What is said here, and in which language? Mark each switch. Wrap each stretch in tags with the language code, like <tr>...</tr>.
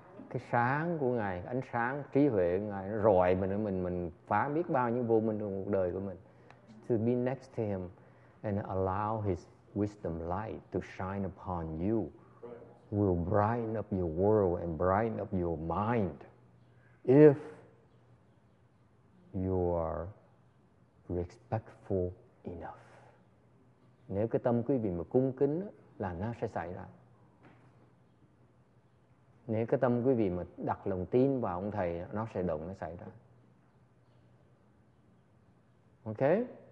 <vi>Cái sáng của Ngài, ánh sáng, trí huệ của Ngài nó rọi mình phá biết bao nhiêu vô minh trong cuộc đời của mình.</vi> <en>To be next to him and allow his wisdom light to shine upon you will brighten up your world and brighten up your mind if you are respectful enough.</en> <vi>Nếu cái tâm quý vị mà cung kính là nó sẽ xảy ra. Nếu cái tâm quý vị mà đặt lòng tin vào ông thầy, nó sẽ động, nó xảy ra.</vi> <en>Ok?</en>